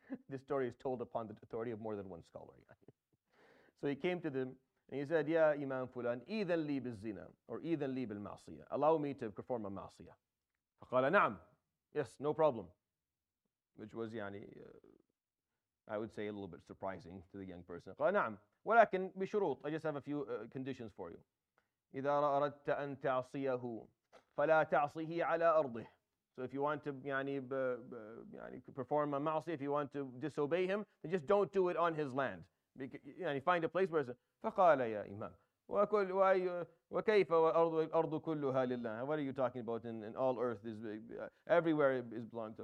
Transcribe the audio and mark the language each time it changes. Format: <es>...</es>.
<en>This story is told upon the authority of more than one scholar. So he came to them and he said, "Ya Imam Fulan,</en> <ar>إِذَا لِي بِالزِّنَا or إِذَا لِي بِالْمَعْصِيَةِ,</ar> <en>allow me to perform a ma'asiyah."</en> <ar>فَقَالَ نَعْمْ,</ar> <en>yes, no problem. Which was, I would say, a little bit surprising to the young person.</en> <ar>قَالَ نَعْمْ, ولكن بشروط,</ar> <en>I just have a few conditions for you.</en> <ar>إِذَا أَرَدْتَ أَن تَعْصِيَهُ فَلَا تَعْصِهِ عَلَى أَرْضِهِ.</ar> <en>So if you want to perform a ma'asiyah, if you want to disobey him, then just don't do it on his land. Find a place where it's...</en> <ar>فَقَالَ يَا إِمَامُ وَكَيْفَ وَأَرْضُ كُلُّهَا لِلَّهِ.</ar> <en>What are you talking about? In all earth, is everywhere is belong to.</en>